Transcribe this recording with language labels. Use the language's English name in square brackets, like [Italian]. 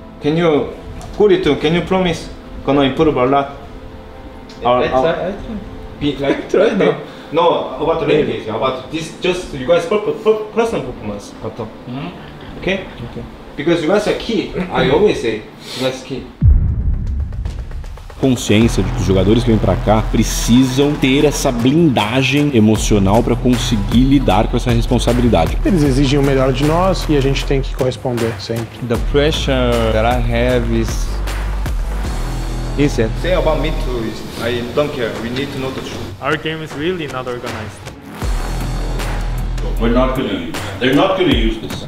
[English] Can you, Kuri too, can you promise gonna improve a lot? I think. No, about the rain game. About this, just you guys' personal performance. Mm-hmm. Okay? Okay. Because you guys are key, I always say, you guys are key. [Portuguese] Consciência de que os jogadores que vêm pra cá precisam ter essa blindagem emocional pra conseguir lidar com essa responsabilidade. Eles exigem o melhor de nós e a gente tem que corresponder sempre. [English] The pressure that I have is... Easy. Say about me too, I don't care, we need to know the truth. Our game is really not organized. We're not gonna use, they're not gonna use this.